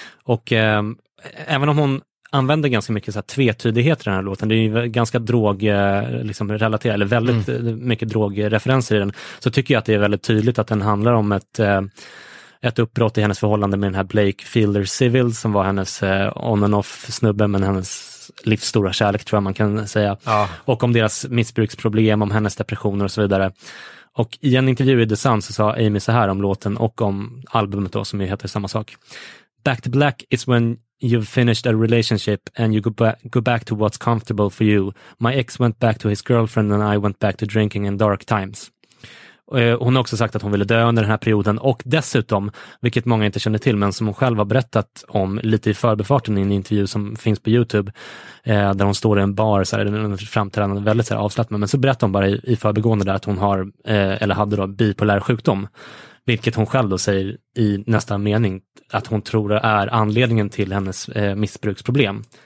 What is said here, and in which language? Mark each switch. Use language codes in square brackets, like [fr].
[sv] Och även om hon använder ganska mycket så här tvetydighet i den här låten, det är ju ganska drogrelaterat, eller väldigt mycket drogreferenser i den, så tycker jag att det är väldigt tydligt att den handlar om ett uppbrott i hennes förhållande med den här Blake Fielder Civil, som var hennes [en] on and off- [sv] snubbe, men hennes livs stora kärlek, tror jag man kan säga. Ja. Och om deras missbruksproblem, om hennes depressioner och så vidare. Och i en intervju i The Sun så sa Amy så här om låten och om albumet då, som ju heter samma sak. [en] Back to Black is when you've finished a relationship and you go back to what's comfortable for you. My ex went back to his girlfriend and I went back to drinking in dark times. [sv] Hon har också sagt att hon ville dö under den här perioden, och dessutom, vilket många inte känner till men som hon själv har berättat om lite i förbefarten i en intervju som finns på YouTube, där hon står i en bar så här, den framträdande, väldigt så här avslappnad, men så berättar hon bara i förbegående där att hon har eller hade då bipolär sjukdom, vilket hon själv då säger i nästa mening att hon tror är anledningen till hennes missbruksproblem.